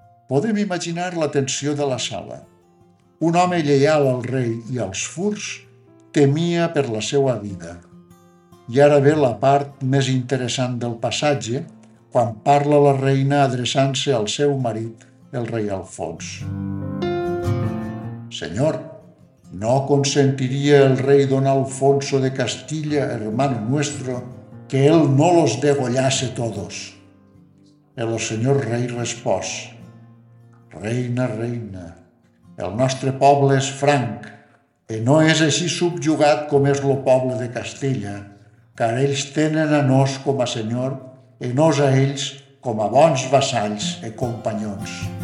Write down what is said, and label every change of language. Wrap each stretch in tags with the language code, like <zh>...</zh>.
<ca>Podem imaginar la tensió de la sala. Un home lleial al rei i als furs temia per la seva vida. I ara ve la part més interessant del passatge quan parla la reina adreçant-se al seu marit, el rei Alfons. Senyor, no consentiria el rei</ca> <es>don Alfonso de Castilla, hermano nuestro, que él no los degollase todos.</es> <ca>El senyor rei respòs, reina, reina, el nostre poble és franc i no és així subjugat com és lo poble de Castella, car ells tenen a nos com a senyor i nos a ells com a bons vassalls i companyons.</ca>